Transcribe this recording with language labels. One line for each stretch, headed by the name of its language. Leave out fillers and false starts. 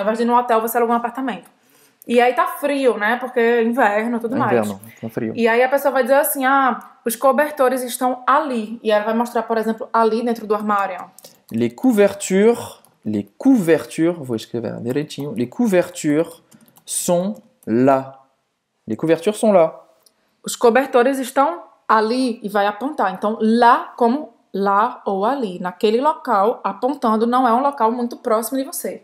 Portuguese: Ao invés de ir num hotel, você alugou um apartamento. E aí tá frio, né? Porque é inverno e tudo É mais. inverno, tá frio. E aí a pessoa vai dizer assim: ah, os cobertores estão ali. E ela vai mostrar, por exemplo, ali dentro do armário.
French: Les couvertures Les couvertures,
Portuguese: vou escrever direitinho.
French: Les couvertures sont là. Les couvertures sont là.
Portuguese: Os cobertores estão ali e vai apontar. Então, lá como lá ou ali. Naquele local, apontando, não é um local muito próximo de você.